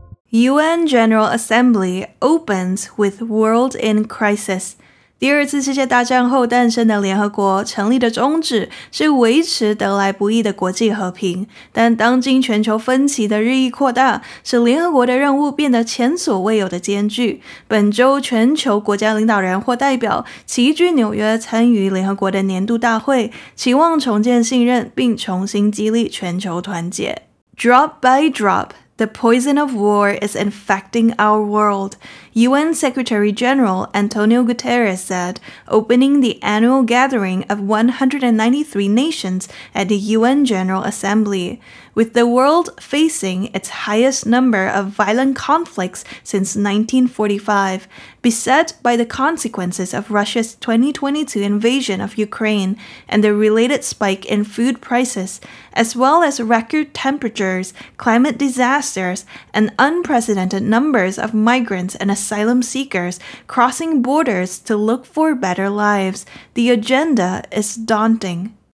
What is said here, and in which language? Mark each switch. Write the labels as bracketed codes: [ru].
[en] UN General Assembly opens with World in Crisis. [zh] 第二次世界大战后诞生的联合国成立的宗旨是维持得来不易的国际和平。但当今全球分歧的日益扩大，使联合国的任务变得前所未有的艰巨。本周全球国家领导人或代表齐聚纽约参与联合国的年度大会，期望重建信任并重新激励全球团结。 [en] Drop by drop,The poison of war is infecting our world, UN Secretary General Antonio Guterres said, opening the annual gathering of 193 nations at the UN General Assembly. With the world facing its highest number of violent conflicts since 1945, beset by the consequences of Russia's 2022 invasion of Ukraine and the related spike in food prices, as well as record temperatures, climate disasters, and unprecedented numbers of migrants and asylum seekers crossing borders to look for better lives, the agenda is daunting.